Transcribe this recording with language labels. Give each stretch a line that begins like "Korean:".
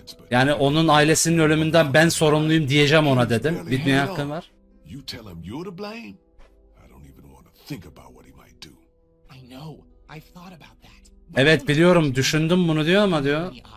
Turkish: Yani onun ailesinin ölümünden ben sorumluyum diyeceğim ona dedim. Bitmeye hakkım var.
English: You tell him you're to blame. I don't even want to think about what he might do. I know. I've thought about that.
Turkish: Evet biliyorum, düşündüm bunu diyor ama diyor.